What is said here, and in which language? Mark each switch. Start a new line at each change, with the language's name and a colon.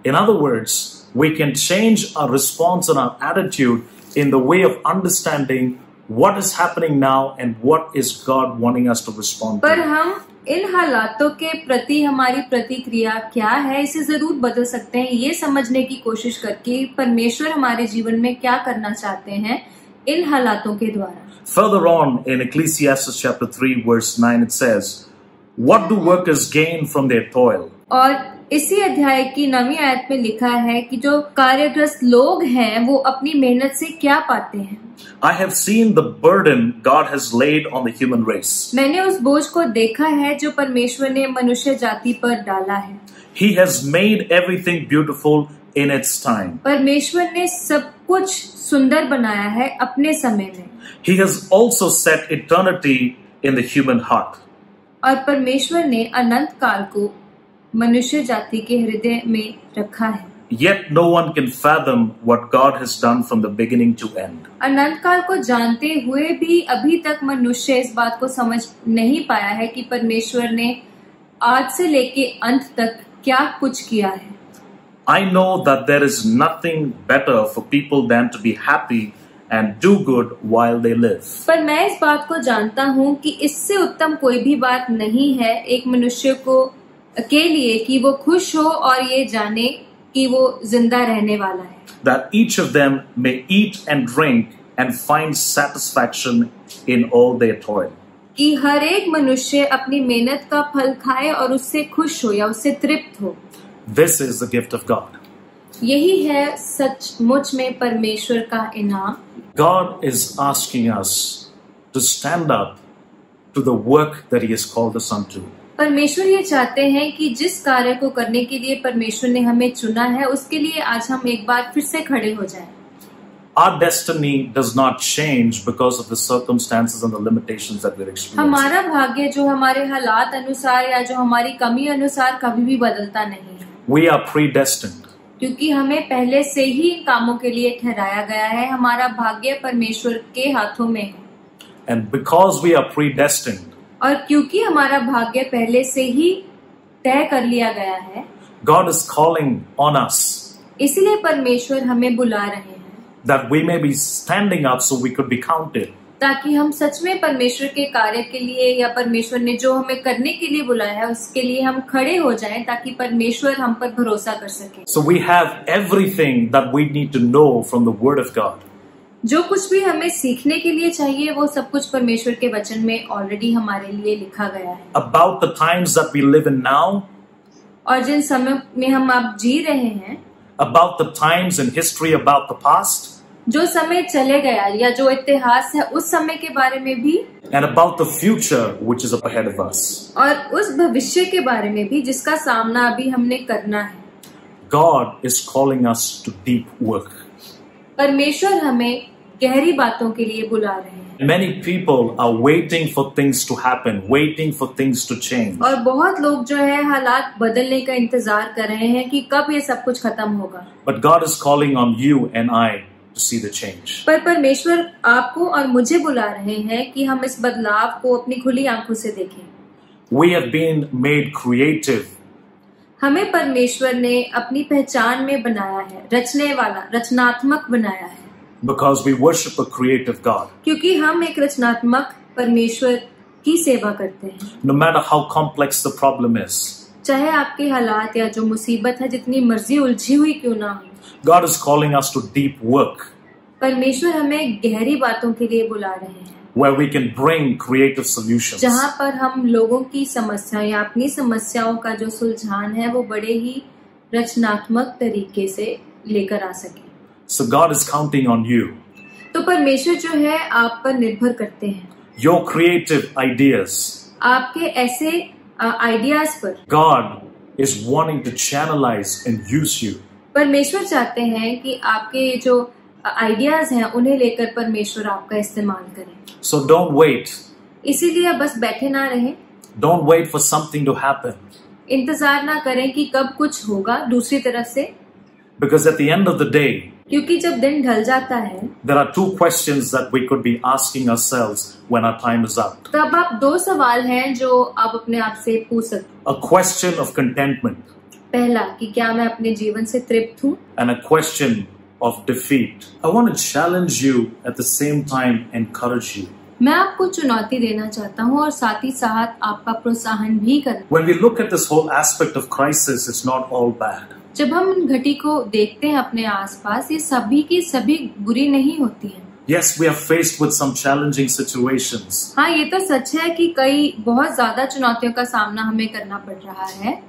English: In other words, we can change our response and our attitude in the way of understanding what is happening now and what is God wanting us to respond to.
Hindi: पर हम इन हालातों के प्रति हमारी प्रतिक्रिया क्या है इसे जरूर बदल सकते हैं, ये समझने की कोशिश करके परमेश्वर हमारे जीवन में क्या करना चाहते हैं इन हालातों के द्वारा।
English: Further on in Ecclesiastes chapter 3 verse 9 it says, What do workers gain from their toil?
Hindi: और इसी अध्याय की 9वीं आयत में लिखा है कि जो कार्यग्रस्त लोग हैं वो अपनी मेहनत से क्या पाते हैं।
English: I have seen the burden God has laid on the human race.
Hindi: मैंने उस बोझ को देखा है जो परमेश्वर ने मनुष्य जाति पर डाला है।
English: He has made everything beautiful in its time.
Hindi: परमेश्वर ने सब कुछ सुंदर बनाया है अपने समय में।
English: He has also set eternity in the human heart.
Hindi: और परमेश्वर ने अनंत काल को मनुष्य जाति के हृदय में रखा है।
English: Yet no one can fathom what God has done from the beginning to end.
Hindi: अनंत काल को जानते हुए भी अभी तक मनुष्य इस बात को समझ नहीं पाया है कि परमेश्वर ने आज से लेके अंत तक क्या कुछ किया है।
English: I know that there is nothing better for people than to be happy and do good while they live.
Hindi: पर मैं इस बात को जानता हूँ कि इससे उत्तम कोई भी बात नहीं है एक मनुष्य को के लिए कि वो खुश हो और ये जाने कि वो जिंदा रहने वाला है।
English: That each of them may eat and drink and find satisfaction in all their toil.
Hindi: कि हर एक मनुष्य अपनी मेहनत का फल खाए और उससे खुश हो या उससे तृप्त हो।
English: This is the gift of God.
Hindi: यही है सचमुच में परमेश्वर का इनाम।
English: God is asking us to stand up to the work that He has called us unto.
Hindi: परमेश्वर ये चाहते हैं कि जिस कार्य को करने के लिए परमेश्वर ने हमें चुना है उसके लिए आज हम एक बार फिर से खड़े हो जाएं।
English: Our destiny does not change because of the circumstances and the limitations that we're experiencing.
Hindi: हमारा भाग्य जो हमारे हालात अनुसार या जो हमारी कमी अनुसार कभी भी बदलता नहीं।
English: We are predestined.
Hindi: क्योंकि हमें पहले से ही इन कामों के लिए ठहराया गया है, हमारा भाग्य परमेश्वर के हाथों में है।
English: And because we are predestined,
Hindi: और क्योंकि हमारा भाग्य पहले से ही तय कर लिया गया है,
English: God is calling on us,
Hindi: इसलिए परमेश्वर हमें बुला रहे हैं,
English: that we may be standing up so we could be counted,
Hindi: ताकि हम सच में परमेश्वर के कार्य के लिए या परमेश्वर ने जो हमें करने के लिए बुलाया है उसके लिए हम खड़े हो जाएं ताकि परमेश्वर हम पर भरोसा कर सके।
English: So we have everything that we need to know from the word of God.
Hindi: जो कुछ भी हमें सीखने के लिए चाहिए वो सब कुछ परमेश्वर के वचन में
English: already
Hindi: हमारे लिए लिखा गया है।
English: About the times that we live in now,
Hindi: और जिन समय में हम अब जी रहे हैं,
English: About the times in history, about the past,
Hindi: जो समय चले गया या जो इतिहास है उस समय के बारे में भी,
English: and about the future which is up ahead of us,
Hindi: और उस भविष्य के बारे में भी जिसका सामना अभी हमने करना है।
English: God is calling us to deep work.
Hindi: परमेश्वर हमें गहरी बातों के लिए बुला रहे हैं।
English: Many people are waiting for things to happen, waiting for things to change.
Hindi: और बहुत लोग जो है हालात बदलने का इंतजार कर रहे हैं कि कब ये सब कुछ खत्म होगा।
English: But God is calling on you and I. To see the change.
Hindi: पर परमेश्वर आपको और मुझे बुला रहे हैं कि हम इस बदलाव को अपनी खुली आंखों से देखें।
English: We have been made creative.
Hindi: हमें परमेश्वर ने अपनी पहचान में बनाया है, रचने वाला, रचनात्मक बनाया है।
English: Because we worship a creative God.
Hindi: क्योंकि हम एक रचनात्मक परमेश्वर की सेवा करते हैं।
English: No matter how complex the problem is.
Hindi: चाहे आपके हालात या जो मुसीबत है जितनी मर्जी उलझी हुई क्यों ना हो।
English: God is calling us to deep work.
Hindi: परमेश्वर हमें गहरी बातों के लिए बुला रहे हैं।
English: Where we can bring creative solutions.
Hindi: जहां पर हम लोगों की समस्याएं या अपनी समस्याओं का जो सुलझान है वो बड़े ही रचनात्मक तरीके से लेकर आ सके।
English: So God is counting on you.
Hindi: तो परमेश्वर जो है आप पर निर्भर करते हैं।
English: Your creative ideas.
Hindi: आपके ऐसे ideas पर।
English: God is wanting to channelize and use you.
Hindi: परमेश्वर चाहते हैं कि आपके जो ideas हैं उन्हें लेकर परमेश्वर आपका इस्तेमाल करें.
English: So don't wait.
Hindi: इसीलिए बस बैठे ना रहें.
English: Don't wait for something to happen.
Hindi: इंतजार ना करें कि कब कुछ होगा दूसरी तरफ से.
English: Because at the end of the day,
Hindi: क्योंकि जब दिन ढल जाता है,
English: there are two questions that we could be asking ourselves when our time is up.
Hindi: तब आप दो सवाल हैं जो आप अपने आप से पूछ सकते हैं.
English: A question of contentment.
Hindi: पहला कि क्या मैं अपने जीवन से तृप्त हूँ.
English: And a question of defeat. I want to challenge you at the same time, encourage you.
Hindi: मैं आपको चुनौती देना चाहता हूँ और साथ ही साथ आपका प्रोत्साहन भी करना.
English: When we look at this whole aspect of crisis, it's not all bad.
Hindi: जब हम घटी को देखते हैं अपने आसपास, ये सभी की सभी बुरी नहीं होती है.
English: Yes, we are faced with some challenging situations.
Hindi: हाँ, ये तो सच है कि कई बहुत ज्यादा चुनौतियों का सामना हमें करना पड़ रहा है.